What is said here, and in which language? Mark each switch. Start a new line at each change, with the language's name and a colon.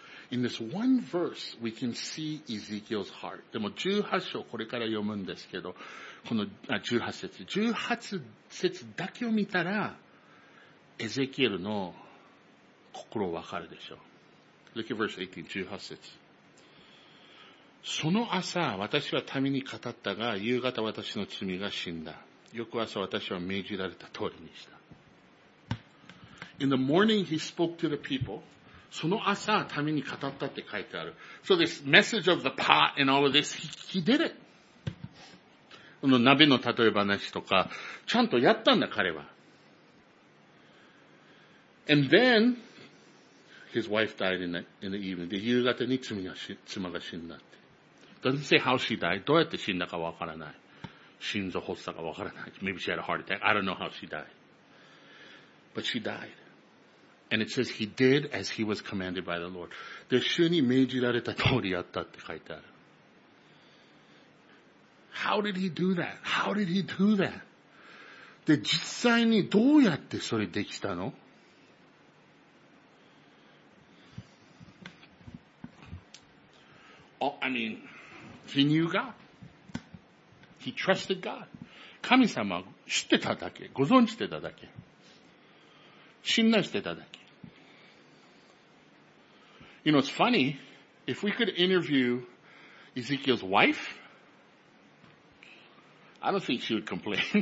English: In this one verse, we can see Ezekiel's heart.
Japanese: でも18章これから読むんですけど、この18節だけを見たら、エゼキエルの心をわかるでしょう。
English: Look at verse 18, 18節。
Japanese: その朝、私は民に語ったが、夕方私の罪が死んだ。翌朝私は命じられた通りにした。
English: In the morning, he spoke to the people.
Japanese: その朝、民に語ったって書いてある。
English: So this message of the pot and all of this, he did it.
Japanese: この鍋の例え話とか、ちゃんとやったんだ、彼は。
English: And then, His wife died in the evening.
Japanese: で、夕方に妻が死んだって。
English: Doesn't say how she died.
Japanese: どうやって死んだかわからない。心臓発作がわからない。
English: Maybe she had a heart attack. I don't know how she died. But she died. And it says he did as he was commanded by the Lord.
Japanese: で、主に命じられた通りやったって書いてある。
English: How did he do that? How did he do that?
Japanese: で、実際にどうやってそれできたの?
English: Oh, I mean, he knew God. He trusted God.
Japanese: 神様知ってただけ、ご存知してただけ、信頼してただけ。
English: You know, it's funny, if we could interview Ezekiel's wife, I don't think she would complain.